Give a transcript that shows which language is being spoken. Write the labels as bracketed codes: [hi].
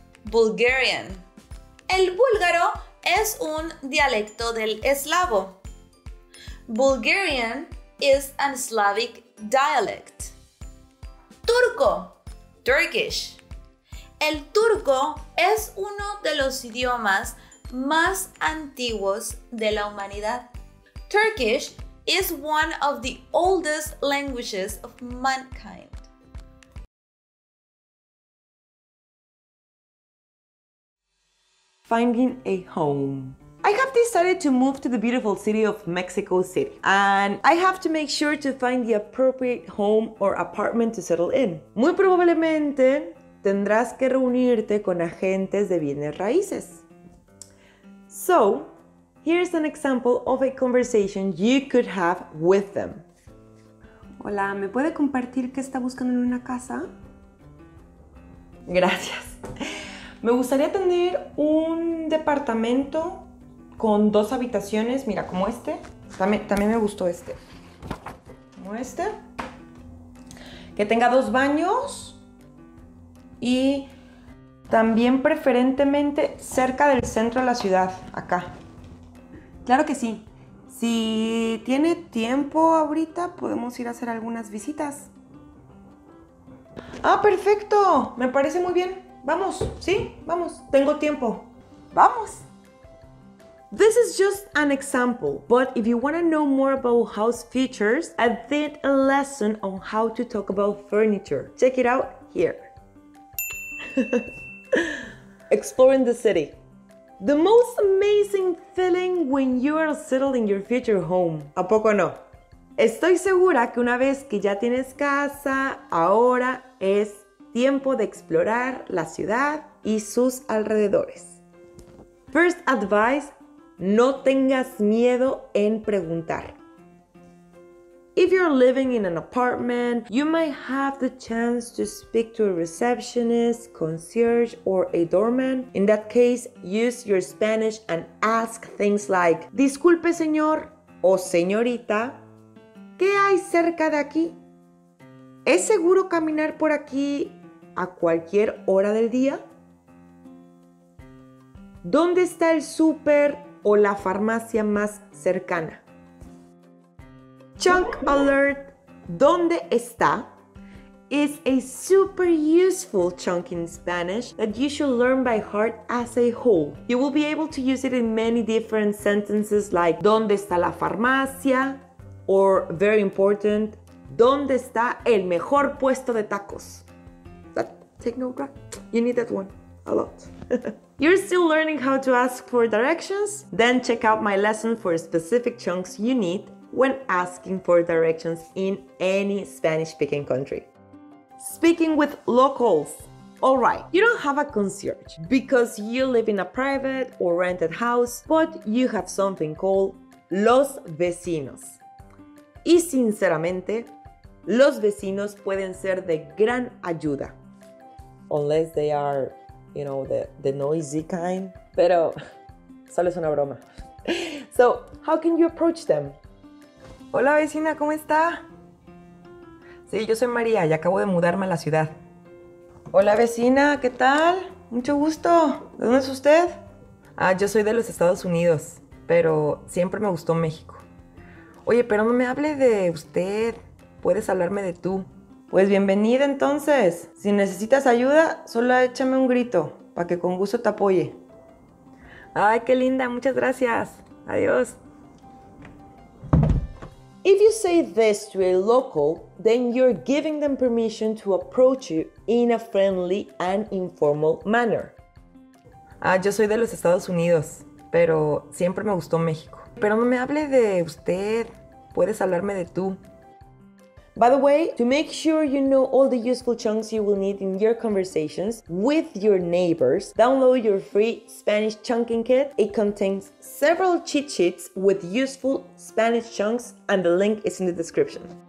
[es] Bulgarian. El búlgaro es un dialecto del eslavo. [en] Bulgarian is a Slavic dialect. Turco. Turkish. [es] El turco es uno de los idiomas más antiguos de la humanidad. [en] Turkish is one of the oldest languages of mankind. Finding a home. I have decided to move to the beautiful city of Mexico City, and I have to make sure to find the appropriate home or apartment to settle in. [es] Muy probablemente tendrás que reunirte con agentes de bienes raíces. [en] So, here's an example of a conversation you could have with them. [es] Hola, ¿me puede compartir qué está buscando en una casa? Gracias. Me gustaría tener un departamento con dos habitaciones, mira, como este. También me gustó este. Como este. Que tenga dos baños. Y también preferentemente cerca del centro de la ciudad, acá. Claro que sí. Si tiene tiempo ahorita, podemos ir a hacer algunas visitas. ¡Ah, perfecto! Me parece muy bien. Vamos, sí, vamos. Tengo tiempo. ¡Vamos! [en] This is just an example, but if you want to know more about house features, I did a lesson on how to talk about furniture. Check it out here. Exploring the city. The most amazing feeling when you are settled in your future home. [es] ¿A poco no? Estoy segura que una vez que ya tienes casa, ahora es tiempo de explorar la ciudad y sus alrededores. [en] First advice, [es] no tengas miedo en preguntar. [en] If you're living in an apartment, you might have the chance to speak to a receptionist, concierge, or a doorman. In that case, use your Spanish and ask things like, [es] disculpe señor o señorita, ¿qué hay cerca de aquí? ¿Es seguro caminar por aquí a cualquier hora del día? ¿Dónde está el súper o la farmacia más cercana? [en] Chunk alert, [es] ¿dónde está? [en] Is a super useful chunk in Spanish that you should learn by heart as a whole. You will be able to use it in many different sentences like [es] ¿dónde está la farmacia? [en] Or very important, [es] ¿dónde está el mejor puesto de tacos? [en] That take no crap. You need that one a lot. You're still learning how to ask for directions? Then check out my lesson for specific chunks you need when asking for directions in any Spanish-speaking country. Speaking with locals. All right, you don't have a concierge because you live in a private or rented house, but you have something called [es] los vecinos. Y sinceramente, los vecinos pueden ser de gran ayuda. [en] Unless they are, you know, the noisy kind. [es] Pero solo es una broma. [en] So, how can you approach them? [es] Hola vecina, ¿cómo está? Sí, yo soy María y acabo de mudarme a la ciudad. Hola vecina, ¿qué tal? Mucho gusto. ¿De dónde es usted? Ah, yo soy de los Estados Unidos, pero siempre me gustó México. Oye, pero no me hable de usted. Puedes hablarme de tú. Pues bienvenida entonces. Si necesitas ayuda, solo échame un grito para que con gusto te apoye. Ay, qué linda. Muchas gracias. Adiós. [en] If you say this to a local, then you're giving them permission to approach you in a friendly and informal manner. [es] Ah, yo soy de los Estados Unidos, pero siempre me gustó México. Pero no me hable de usted, puedes hablarme de tú. [en] By the way, to make sure you know all the useful chunks you will need in your conversations with your neighbors, download your free Spanish chunking kit. It contains several cheat sheets with useful Spanish chunks, and the link is in the description.